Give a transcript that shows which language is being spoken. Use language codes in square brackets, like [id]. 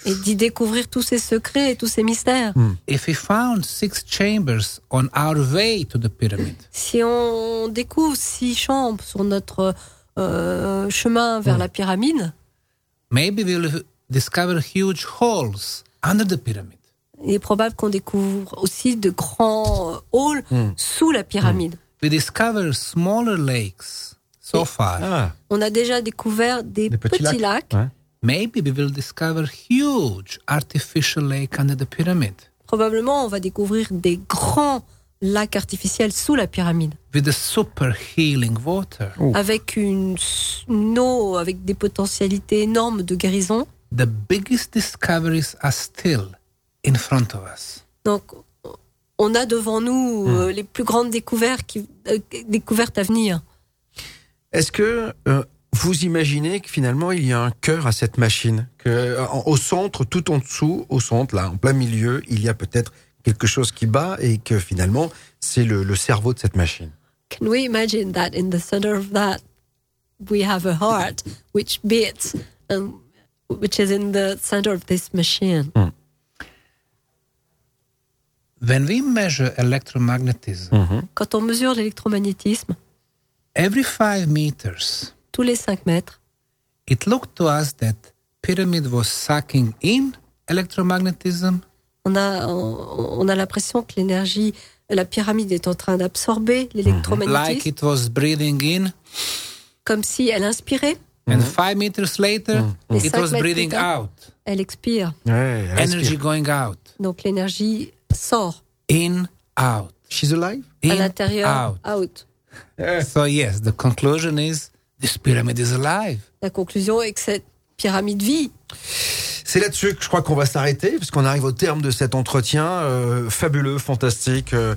[fr] Et d'y découvrir tous ces secrets et tous ces mystères. [en] If we found 6 chambers on our way to the pyramid. [fr] Si on découvre 6 chambres sur notre chemin vers la pyramide. [en] Maybe we'll discover huge holes under the pyramid. [fr] Il est probable qu'on découvre aussi de grands halls sous la pyramide. [en] We discover smaller lakes so far. [fr] On a déjà découvert des petits lacs. [en] Maybe we will discover huge artificial lake under the pyramid. [fr] Probablement, on va découvrir des grands lacs artificiels sous la pyramide. [en] With a super healing water. [fr] Avec une eau avec des potentialités énormes de guérison. [en] The biggest discoveries are still in front of us. [fr] Donc, on a devant nous les plus grandes découvertes à venir. Est-ce que vous imaginez que finalement il y a un cœur à cette machine, que au centre, tout en dessous, au centre, là, en plein milieu, il y a peut-être quelque chose qui bat et que finalement c'est le cerveau de cette machine. [en] Can we imagine that in the center of that we have a heart which beats and which is in the center of this machine? When we measure electromagnetism, [fr] quand on mesure l'électromagnétisme, [en] every 5 meters. [fr] Tous les 5 mètres. [en] It looked to us that pyramid was sucking in electromagnetism. [fr] On a l'impression que l'énergie, la pyramide est en train d'absorber l'électromagnétisme. [en] Like it was breathing in. [fr] Comme si elle inspirait. [en] And 5 meters later, it was breathing out. [fr] Elle expire. Ouais, [en] energy going out. [fr] Donc l'énergie sort. [en] In, out. She's alive? [fr] In, à l'intérieur, out. [en] So yes, the conclusion is this pyramid is alive. [fr] La conclusion est que cette pyramide vit. C'est là-dessus que je crois qu'on va s'arrêter, parce qu'on arrive au terme de cet entretien fabuleux, fantastique.